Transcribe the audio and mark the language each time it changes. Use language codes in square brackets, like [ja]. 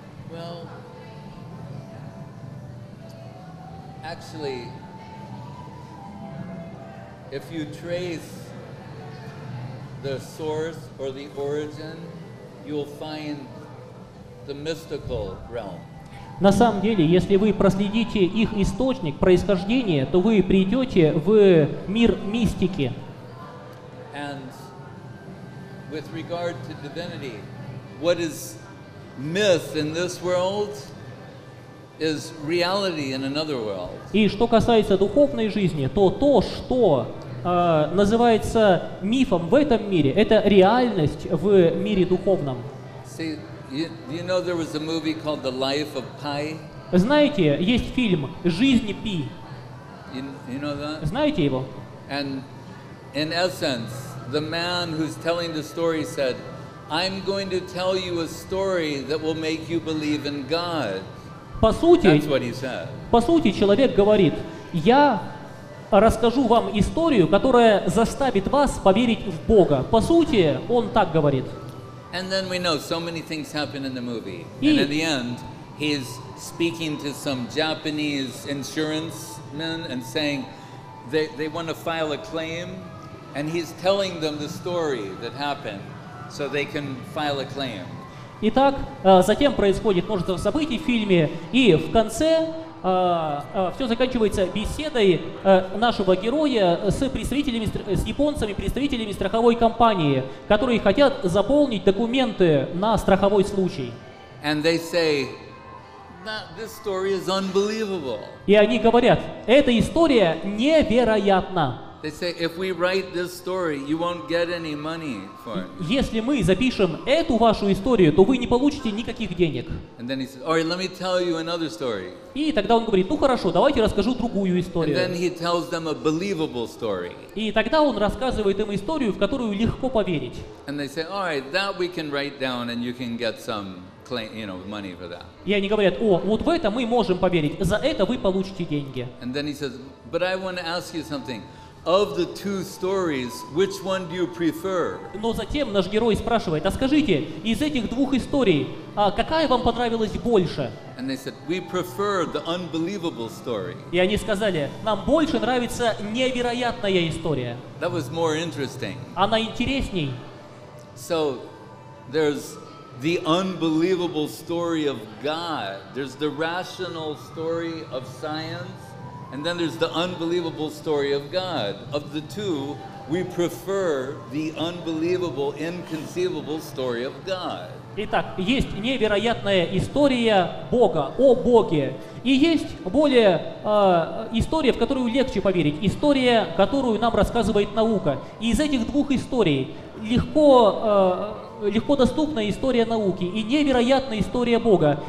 [en] Well, actually, if you trace the source or the origin, you'll find the mystical realm. [ru] На самом деле, если вы проследите их источник происхождения, то вы придете в мир мистики. [en] And with regard to divinity, what is myth in this world is reality in another world. [ru] И что касается духовной жизни, то то, что называется мифом в этом мире, это реальность в мире духовном. [en] See, you know there was a movie called The Life of Pi? [ru] Знаете, есть фильм «Жизнь Пи». [en] You know that? [ru] Знаете его? [en] And in essence, the man who's telling the story said, I'm going to tell you a story that will make you believe in God. That's what he said. [ru] По сути, человек говорит, я расскажу вам историю, которая заставит вас поверить в Бога. По сути, он так говорит. [en] And then we know so many things happen in the movie. And in the end, he's speaking to some Japanese insurance men and saying they want to file a claim, and he's telling them the story that happened. So they can file a claim. [ru] Итак, затем происходит множество событий в фильме, и в конце все заканчивается беседой нашего героя с представителями, с японцами, представителями страховой компании, которые хотят заполнить документы на страховой случай. [en] And they say, this story is unbelievable. [ru] И они говорят, эта история невероятна. [en] They say, if we write this story, you won't get any money for it. [ru] Если мы запишем эту вашу историю, то вы не получите никаких денег. [en] And then he says, all right, let me tell you another story. [ru] И тогда он говорит, ну хорошо, давайте расскажу другую историю. [en] And then he tells them a believable story. [ru] И тогда он рассказывает им историю, в которую легко поверить. [en] And they say, all right, that we can write down and you can get some claim, you know, money for that. [ru] И они говорят, о, вот в это мы можем поверить, за это вы получите деньги. [en] And then he says, but I want to ask you something. Of the two stories, which one do you prefer? [ru] Но затем наш герой спрашивает: а скажите, из этих двух историй, какая вам понравилась больше? [en] And they said, we prefer the unbelievable story. [ru] И они сказали: нам больше нравится невероятная история. [en] That was more interesting. [ru] Она интересней. [en] So there's the unbelievable story of God. There's the rational story of science. And then there's the unbelievable story of God. Of the two, we prefer the unbelievable, inconceivable story of God. [ru] Итак, есть невероятная история Бога, о Боге. И есть более история, в которую легче поверить. История, которую нам рассказывает наука. И из этих двух историй легко доступна история науки и невероятная история Бога.